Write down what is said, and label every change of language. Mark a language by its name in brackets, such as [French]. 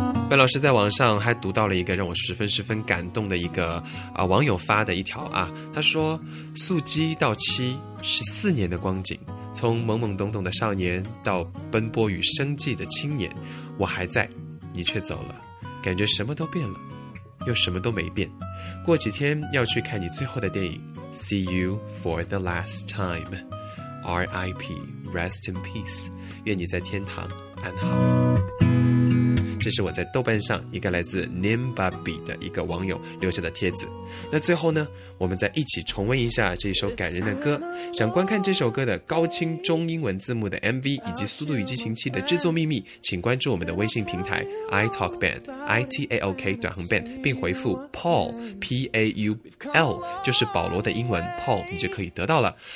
[Chinese] 本老师在网上还读到了一个让我十分十分感动的一个网友发的一条啊，他说素鸡到七是四年的光景，从懵懵懂懂的少年到奔波与生计的青年，我还在，你却走了，感觉什么都变了，又什么都没变。过几天要去看你最后的电影 ， [English] See you for the last time, R.I.P. Rest in peace， [Chinese] 愿你在天堂安好。这是我在豆瓣上一个来自 Nimbabi 的一个网友留下的帖子那最后呢我们再一起重温一下这一首感人的歌想观看这首歌的高清中英文字幕的 MV 以及速度与激情7的制作秘密请关注我们的微信平台 iTalkBand I-T-A-L-K 短横 band 并回复 Paul P-A-U-L 就是保罗的英文 Paul 你就可以得到了